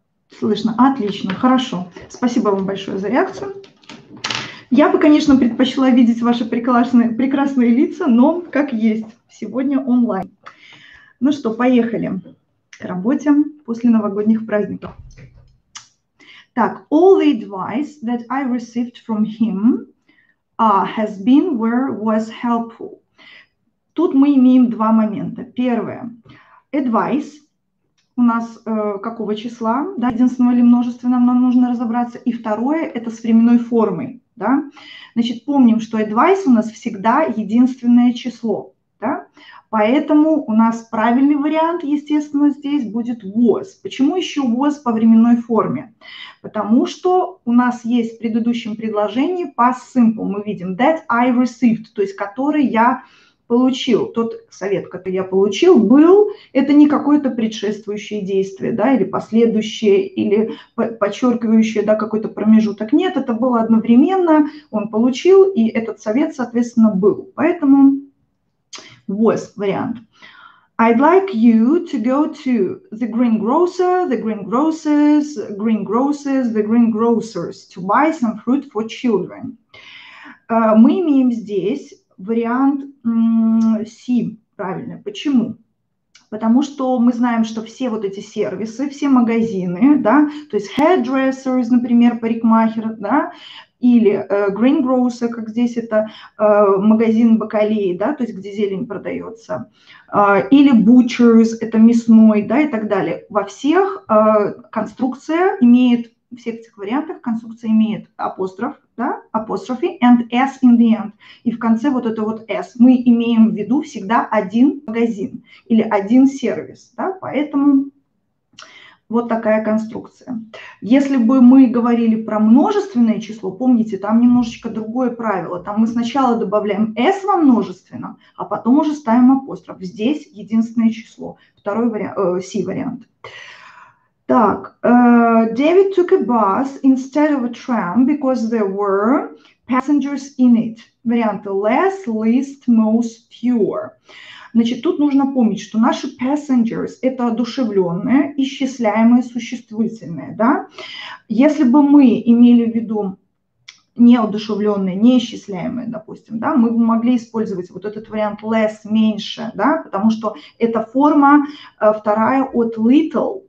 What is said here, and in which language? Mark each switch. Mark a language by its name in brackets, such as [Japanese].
[Russian] Слышно. Отлично, хорошо. Спасибо вам большое за реакцию. Я бы, конечно, предпочла видеть ваши прекрасные лица, но как есть, сегодня онлайн. Ну что, поехали к работе после новогодних праздников. [English] Так, all the advice that I received from him has been where was helpful. [Russian] Тут мы имеем два момента. Первое. Advice. У нас какого числа, да, единственного или множественного, нам нужно разобраться. И второе – это с временной формой. Да? Значит, помним, что advice у нас всегда единственное число. Да? Поэтому у нас правильный вариант, естественно, здесь будет was. Почему еще was по временной форме? Потому что у нас есть в предыдущем предложении past simple. Мы видим [English] that I received, [Russian] то есть который я получил. Тот совет, который я получил, был, это не какое-то предшествующее действие, да, или последующее, или подчеркивающее, да, какой-то промежуток. Нет, это было одновременно, он получил, и этот совет, соответственно, был. Поэтому was вариант. [English] I'd like you to go to the greengrocer, the greengrocers, greengrocers, the greengrocers to buy some fruit for children. [Russian] Мы имеем здесь вариант си, правильно. Почему? Потому что мы знаем, что все вот эти сервисы, все магазины, да, то есть hairdressers, например, парикмахер, да, или greengrocer, как здесь это магазин бакалеи, да, то есть где зелень продается, или butchers, это мясной, да, и так далее. Во всех конструкция имеет, в всех этих вариантах конструкция имеет апостроф, да, [English] apostrophe, and S in the end. [Russian] И в конце вот это вот S. Мы имеем в виду всегда один магазин или один сервис, да, поэтому вот такая конструкция. Если бы мы говорили про множественное число, помните, там немножечко другое правило. Там мы сначала добавляем S во множественном, а потом уже ставим апостроф. Здесь единственное число. Второй вариант, C вариант. [English] Так, David took a bus instead of a tram because there were passengers in it. [Russian] Варианты [English] less, least, most, fewer. [Russian] Значит, тут нужно помнить, что наши passengers – это одушевленные, исчисляемые, существительные. Да? Если бы мы имели в виду неодушевленные, неисчисляемые, допустим, да, мы могли использовать вот этот вариант less, меньше, да, потому что это форма вторая от little.